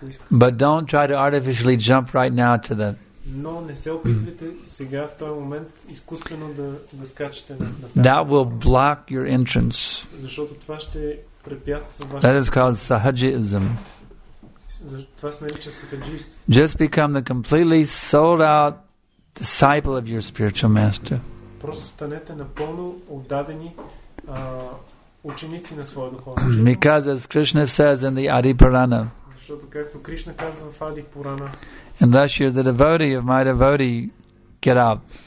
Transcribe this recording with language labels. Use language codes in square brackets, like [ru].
[en] But don't try to artificially jump right now to that. [bg] Но не се опитвайте сега в този момент изкуствено да скачате на тази. [en] That will block your entrance. [bg] Защото това ще препятства вашето. [en] That is called sahajism. [bg] Това се нарича сахаджийство. [en] Just become the completely sold out disciple of your spiritual master. [bg] Просто станете напълно отдадени ученици на своя духовен учител. [en] Because as Krishna says in the Adipurana. [bg] Защото както Кришна казва в Адипурана. [en] And thus you're the devotee of my devotee, get up.